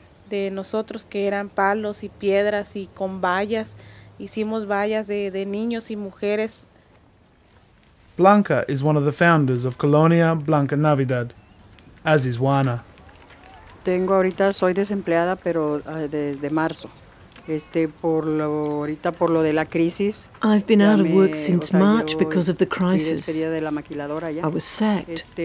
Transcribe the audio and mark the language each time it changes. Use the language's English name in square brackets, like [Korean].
[Spanish] De nosotros que eran palos y piedras y con vallas, hicimos vallas de niños y mujeres. [English] Blanca is one of the founders of Colonia Blanquinavidad, as is Juana. [Spanish] Tengo ahorita, soy desempleada, pero desde marzo. [English] I've been out of work since March because of the crisis. I was sacked.